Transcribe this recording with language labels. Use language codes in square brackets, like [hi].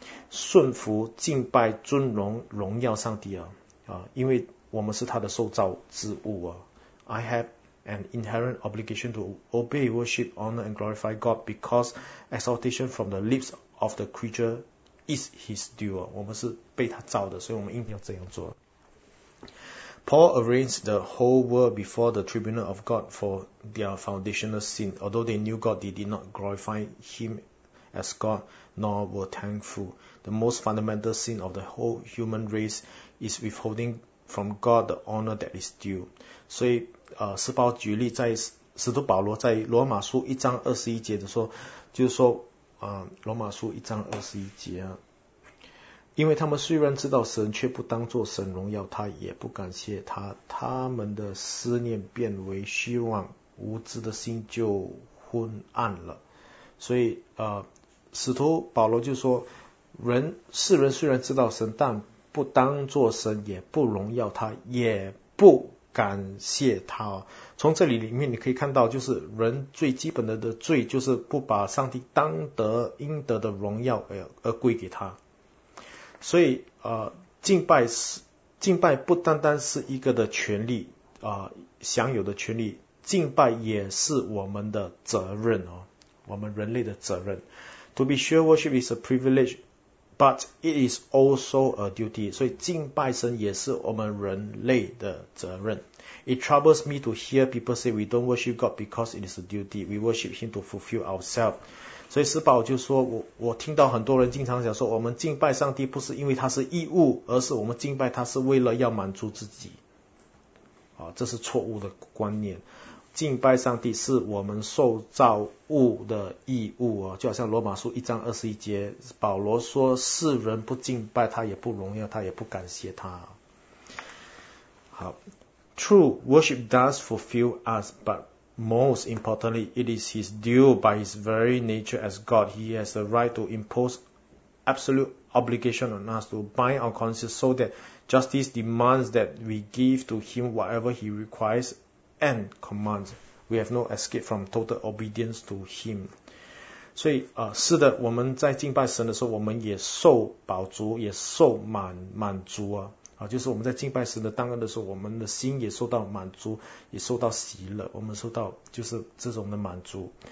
[zh] 顺服、敬拜、尊荣、荣耀上帝、因为我们是他的受造之物、 [en] I have an inherent obligation to obey, worship, honor and glorify God because exaltation from the lips of the creatureIs his due. [zh] 我们是被他造的，所以我们应该要这样做。 [en] Paul arranged the whole world before the tribunal of God for their foundational sin. Although they knew God, they did not glorify him as God, nor were thankful. The most fundamental sin of the whole human race is withholding from God the honor that is due. [zh] 所以，使徒保罗举例，在使徒保罗在罗马书一章二十一节的说，就是说。罗马书一章二十一节、因为他们虽然知道神却不当作神荣耀，他也不感谢他，他们的思念变为虚妄，无知的心就昏暗了。所以、使徒保罗就说世人虽然知道神但不当作神，也不荣耀他，也不感谢他、从这里面你可以看到，就是人最基本的罪就是不把上帝当得应得的荣耀而归给他。所以敬拜不单单是一个的权利、享有的权利，敬拜也是我们的责任、我们人类的责任。 [en] To be sure worship is a privilegeBut it is also a duty. [zh] 所以敬拜神也是我们人类的责任。 [en] It troubles me to hear people say we don't worship God because it is a duty. We worship him to fulfill ourselves. [zh] 所以使徒保罗就说 我听到很多人经常讲说我们敬拜上帝不是因为他是义务，而是我们敬拜他是为了要满足自己。这是错误的观念。敬拜上帝是我们受造物的义务、就好像罗马书一章二十一节保罗说世人不敬拜他也不荣耀他也不感谢他。 [en] 好， True, worship does fulfill us, but most importantly, it is his due by his very nature as God. He has the right to impose absolute obligation on us to bind our conscience so that justice demands that we give to him whatever he requires. And commands, we have no escape from total obedience to Him. [zh] 所以、是的，我们在敬拜神的时候，我们也受饱足，也受满足啊！就是我们在敬拜神的当恩的时候，我们的心也受到满足，也受到喜乐，我们受到就是这种的满足。